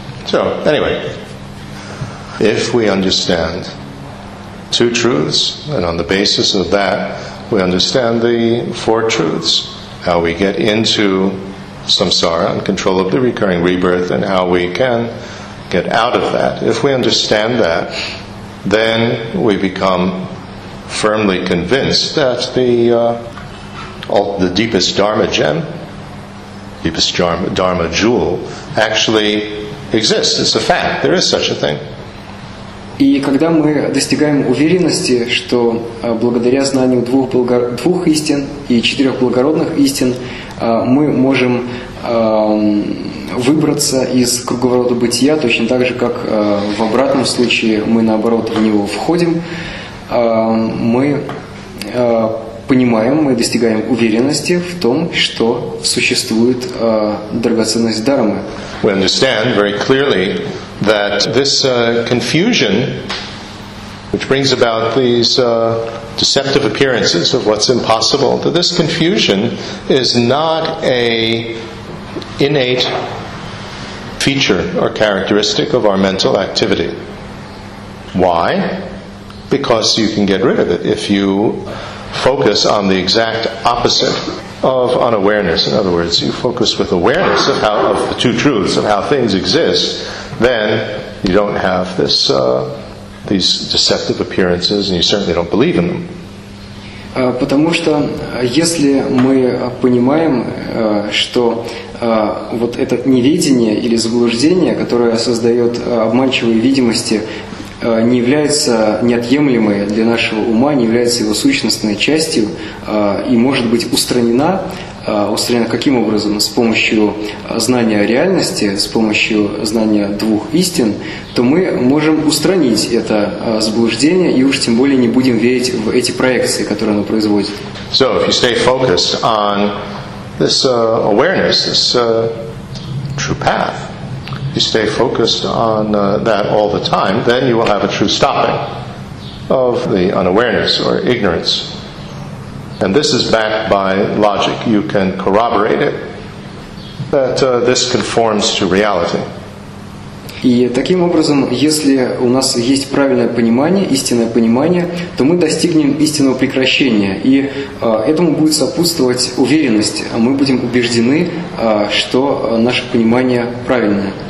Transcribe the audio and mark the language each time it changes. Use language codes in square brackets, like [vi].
[en] So, anyway, if we understand two truths, and on the basis of that, we understand the four truths, how we get into samsara and control of the recurring rebirth and how we can get out of that. If we understand that, then we become firmly convinced that the deepest dharma gem, deepest dharma jewel, actually exists. It's a fact. There is such a thing. [ru] И когда мы достигаем уверенности, что благодаря знанию двух истин и четырех благородных истин мы можем выбраться из круговорота бытия, точно так же, как в обратном случае мы, наоборот, в него входим, мы понимаем, мы достигаем уверенности в том, что существует драгоценность дхармы. [en] We understand very clearly that this confusion, which brings about these deceptive appearances of what's impossible, that this confusion is not a innate feature or characteristic of our mental activity. Why? Because you can get rid of it if you focus on the exact opposite of unawareness. In other words, you focus with awareness of how of the two truths of how things exist, then you don't have this these deceptive appearances, and you certainly don't believe in them. [ru] Потому что если мы понимаем, что вот это неведение или заблуждение, которое создает обманчивые видимости, не является неотъемлемой для нашего ума, не является его сущностной частью и может быть устранена каким образом? С помощью знания реальности, с помощью знания двух истин, то мы можем устранить это заблуждение и уж тем более не будем верить в эти проекции, которые оно производит. [en] So, if you stay focused on this awareness, this true path, you stay focused on that all the time, then you will have a true stopping. of the unawareness or ignorance. And this is backed by logic. You can corroborate it, that this conforms to reality. [ru] И таким образом, если у нас есть правильное понимание, истинное понимание, то мы достигнем истинного прекращения, и этому будет сопутствовать уверенность, а мы будем убеждены, что наше понимание правильное.